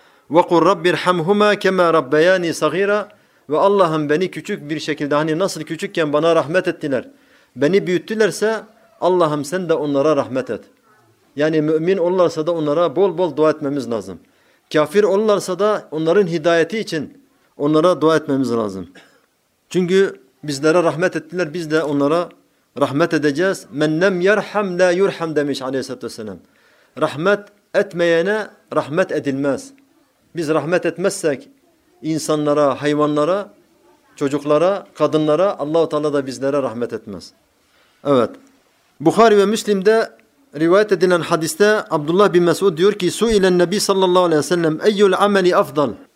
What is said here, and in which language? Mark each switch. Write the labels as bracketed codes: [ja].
[ar] وَقُلْ رَبِّ ارْحَمْهُمَا كَمَا رَبَّيَانِي صَغِيرًا [tr] ve Allah'ım beni küçük bir şekilde, hani nasıl küçükken bana rahmet ettiler, beni büyüttülerse Allah'ım sen de onlara rahmet et. Yani mümin olursa da onlara bol bol dua etmemiz lazım. Kafir olurlarsa da onların hidayeti için onlara dua etmemiz lazım. Çünkü bizlere rahmet ettiler, biz de onlara rahmet edeceğiz. [ar] مَنْ لَمْ يَرْحَمْ لَا يُرْحَمْ [tr] demiş aleyhissalatü vesselam. Rahmet etmeyene rahmet edilmez. Biz rahmet etmezsek insanlara, hayvanlara, çocuklara, kadınlara Allah-u Teala da bizlere rahmet etmez. Evet. Buhari ve Müslim'de rivayet edilen hadiste Abdullah bin Mesud diyor ki [ar] su'ilen nebi sallallahu aleyhi ve sellem eyyul ameli afdal.